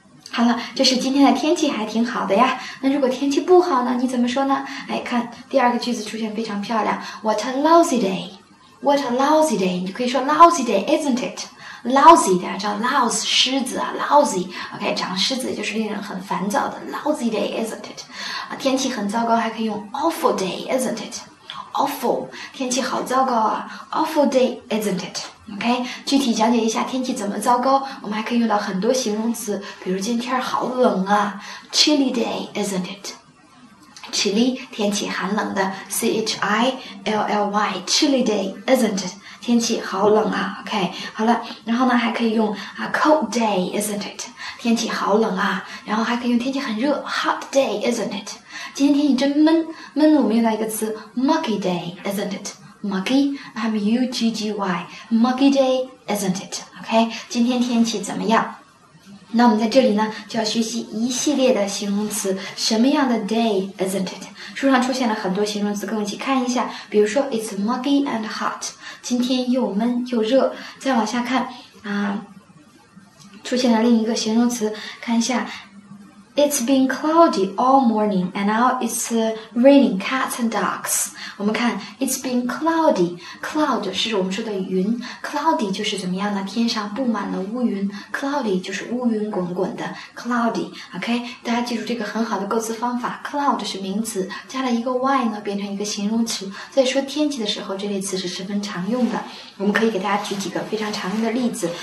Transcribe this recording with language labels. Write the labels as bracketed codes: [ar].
[zh] 好了，这是今天的天气还挺好的呀。那如果天气不好呢？你怎么说呢？哎，看第二个句子出现非常漂亮 ， [en] What a lousy day! What a lousy day! [zh] 你就可以说 [en] lousy day, isn't it? [zh] Lousy 大家知道 louse 狮子啊 ，lousy OK 长狮子就是令人很烦躁的 [en] lousy day, isn't it? [zh] 啊，天气很糟糕，还可以用 [en] awful day, isn't it? Awful [zh] 天气好糟糕啊 [en] ，awful day, isn't it? [zh] OK, 具体讲解一下天气怎么糟糕，我们还可以用到很多形容词，比如今天好冷啊 , [en] chilly day, isn't it? Chilly, [zh] 天气寒冷的 [en] ,C-H-I-L-L-Y, chilly day, isn't it? [zh] 天气好冷啊 ,OK, 好了，然后呢还可以用、 [en] cold day, isn't it? [zh] 天气好冷啊，然后还可以用天气很热 , [en] hot day, isn't it? [zh] 今天天气真闷，闷我们用到一个词 , [en] muggy day, isn't it? Muggy, M-U-G-G-Y, muggy day, isn't it? [zh] OK, 今天天气怎么样？那我们在这里呢，就要学习一系列的形容词，什么样的 day, isn't it? 书上出现了很多形容词，跟我一起看一下。比如说 ， [en] It's muggy and hot, [zh] 今天又闷又热。再往下看，出现了另一个形容词，看一下。 [en] It's been cloudy all morning, and now it's raining cats and dogs. [zh] 我们看 [en] ，It's been cloudy. [zh] Cloud 是我们说的云 ，cloudy 就是怎么样呢？天上布满了乌云 ，cloudy 就是乌云滚滚的 cloudy. OK， 大家记住这个很好的构词方法。Cloud 是名词，加了一个 y 呢，变成一个形容词。在说天气的时候，这类词是十分常用的。我们可以给大家举几个非常常用的例子。